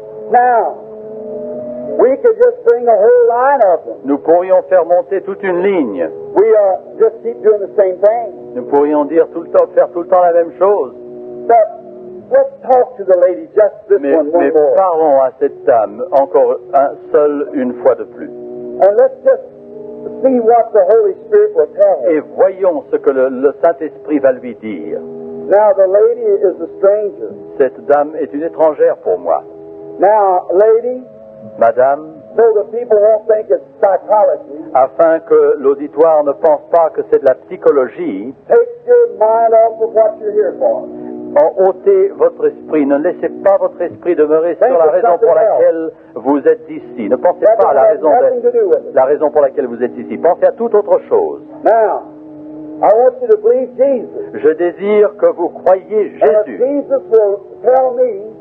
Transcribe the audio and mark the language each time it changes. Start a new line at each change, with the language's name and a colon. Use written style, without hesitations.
English: Now, we could just bring a whole line of them.
French: Nous pourrions faire monter toute une ligne.
English: We just keep doing the same thing.
French: Nous pourrions dire tout le temps, faire tout le temps la même chose.
English: But let's talk to the lady just this
French: mais,
English: one
French: mais
English: more.
French: Mais parlons à cette dame encore une fois de plus.
English: And let's just see what the Holy Spirit will tell.
French: Et voyons ce que le Saint-Esprit va lui dire.
English: Now the lady is a stranger.
French: Cette dame est une étrangère pour moi.
English: Now, lady.
French: Madame.
English: So the people won't think it's psychology.
French: Afin que l'auditoire ne pense pas que c'est de la psychologie.
English: Take your mind off of what you're here for.
French: En ôtez votre esprit. Ne laissez pas votre esprit demeurer sur la raison pour laquelle vous êtes ici. Ne pensez pas à la raison pour laquelle vous êtes ici. Pensez à toute autre chose.
English: Now, I want you to believe Jesus.
French: Je désire que vous croyiez Jésus.
English: Jesus will tell me.